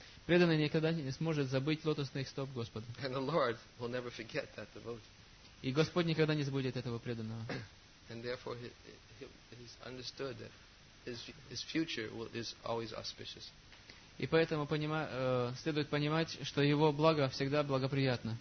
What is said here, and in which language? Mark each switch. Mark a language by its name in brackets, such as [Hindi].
[Russian] Преданный никогда не сможет забыть лотосных стоп Господа. [English] And the Lord will never forget that devotee. [Russian] И Господь никогда не забудет этого преданного. [English] And therefore he understood that his future is always auspicious. [Russian] И поэтому следует понимать, что его благо всегда благоприятно.